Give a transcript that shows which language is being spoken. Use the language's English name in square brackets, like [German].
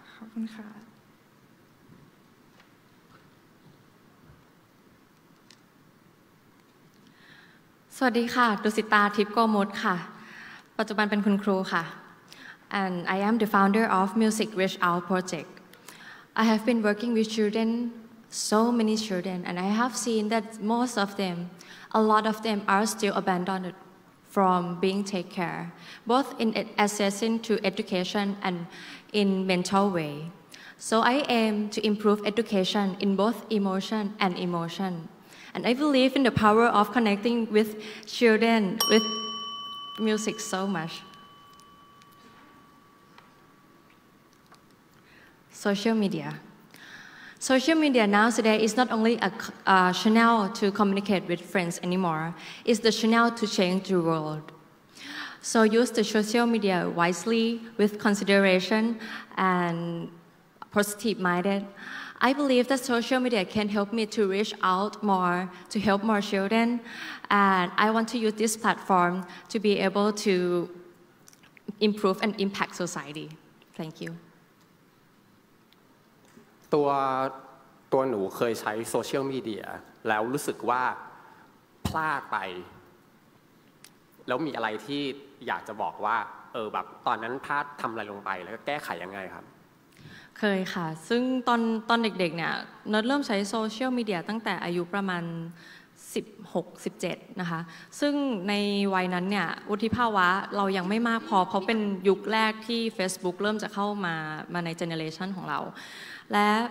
[Thai] ขอบคุณค่ะ สวัสดีค่ะดุสิตาทิพย์โกมดค่ะปัจจุบันเป็นคุณครูค่ะ [English] and I am the founder of Music Reach Out Project. I have been working with children, so many children, and I have seen that most of them, a lot of them are still abandoned from being taken care, both in accessing to education and in mental way. So I aim to improve education in both emotion and emotion. And I believe in the power of connecting with children with music so much. Social media. Social media now today is not only a channel to communicate with friends anymore, it's the channel to change the world. So use the social media wisely, with consideration and positive minded. I believe that social media can help me to reach out more, to help more children, and I want to use this platform to be able to improve and impact society. Thank you. [Thai] ตัวหนูเคยใช้โซเชียลมีเดียแล้วรู้สึกว่าพลาดไปแล้วมีอะไรที่อยากจะบอกว่าแบบตอนนั้นพลาดทำอะไรลงไปแล้วก็แก้ไขยังไงครับ เคยค่ะซึ่งตอนเด็กๆเนี่ยนัดเริ่มใช้โซเชียลมีเดียตั้งแต่อายุประมาณ16 17นะคะซึ่งในวัยนั้นเนี่ยวุฒิภาวะเรายังไม่มากพอเพราะเป็นยุคแรกที่ Facebook เริ่มจะเข้ามาในเจเนเรชันของเราและ